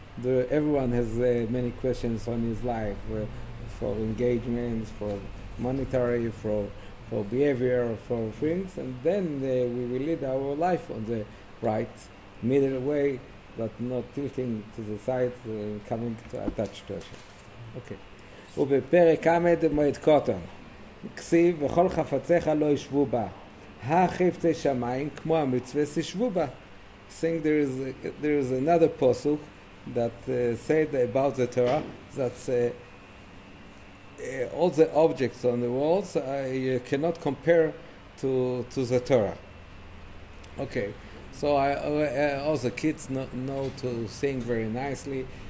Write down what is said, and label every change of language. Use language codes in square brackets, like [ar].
[en] Everyone has many questions on his life, for engagements, for monetary, for behavior, for things, and then we will lead our life on the right middle way, but not tilting to the side and coming to attach to it. Okay. [he] ובפרק עמד מועד קוטון, כסיב וכל חפציך לא ישבו בה, החפצי שמיים כמו המצווה שישבו בה. [en] Think there is another פוסוק that said about the Torah that all the objects on the walls you cannot compare to the Torah. Okay, so all the kids know to sing very nicely,